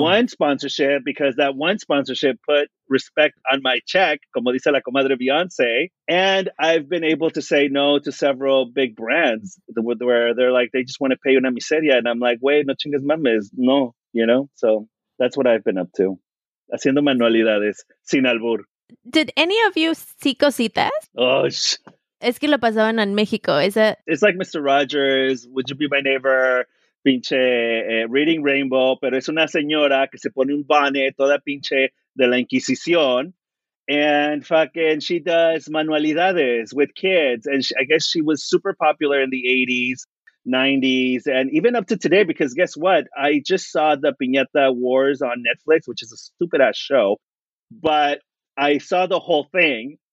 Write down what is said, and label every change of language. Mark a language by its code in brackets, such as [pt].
[en] One sponsorship, because that one sponsorship put respect on my check, [es] como dice la comadre Beyonce, [en] and I've been able to say no to several big brands where they're like, they just want to pay [es] una miseria, [en] and I'm like, [es] güey, no chingas mames, no, [en] you know, so... That's what I've been up to. [es] Haciendo manualidades, sin albur. [en] Did any of you see cositas? Oh, [es] es que lo pasaban en México, [en] is it? It's like Mr. Rogers, would you be my neighbor? [es] Pinche Reading Rainbow, pero es una señora que se pone un bane toda pinche de la Inquisición. [en] And fucking, she does manualidades with kids. And I guess she was super popular in the 80s. 90s, and even up to today, because guess what? I just saw the Piñata Wars on Netflix, which is a stupid-ass show, but I saw the whole thing,